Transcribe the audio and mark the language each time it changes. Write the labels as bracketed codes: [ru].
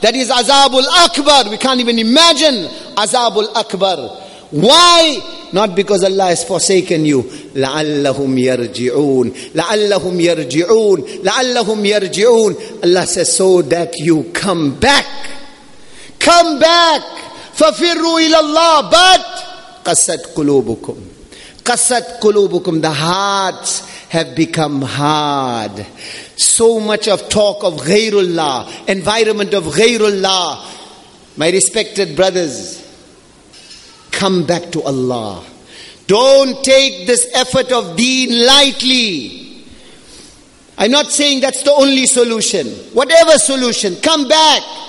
[en] That is azab al-akbar. We can't even imagine azab al-akbar. Why? Not because Allah has forsaken you. [ar] لَعَلَّهُمْ يَرْجِعُونَ لَعَلَّهُمْ يَرْجِعُونَ [en] لَعَلَّهُمْ يَرْجِعُونَ Allah says, so that you come back. Come back. [ar] فَفِرُّوا إِلَى اللَّهِ [en] But [ar] قَسَّتْ قُلُوبُكُمْ قَسَّتْ قُلُوبُكُمْ [en] The hearts have become hard. So much of talk of [ar] غَيْرُ اللَّهِ [en] Environment of غَيْرُ اللَّهِ My respected brothers, come back to Allah. Don't take this effort of deen lightly. I'm not saying that's the only solution. Whatever solution, come back.